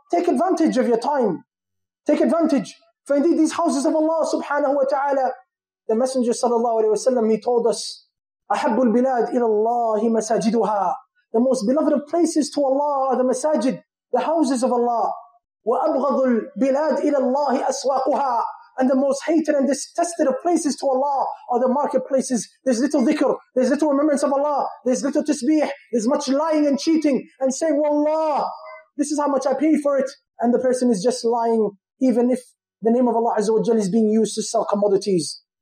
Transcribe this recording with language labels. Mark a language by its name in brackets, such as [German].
[English] Take advantage of your time. Take advantage. For indeed, these houses of Allah subhanahu wa ta'ala, the Messenger sallallahu alayhi wa sallam, he told us, [Arabic] أحب البلاد إلى الله مساجدها. [English] The most beloved of places to Allah are the masajid, the houses of Allah. [Arabic] وأبغض البلاد إلى الله أسواقها. [English] And the most hated and detested of places to Allah are the marketplaces. There's little dhikr, there's little remembrance of Allah, there's little tasbih, there's much lying and cheating and saying, Wallah, this is how much I paid for it. And the person is just lying, even if the name of Allah Azza wa Jalla is being used to sell commodities.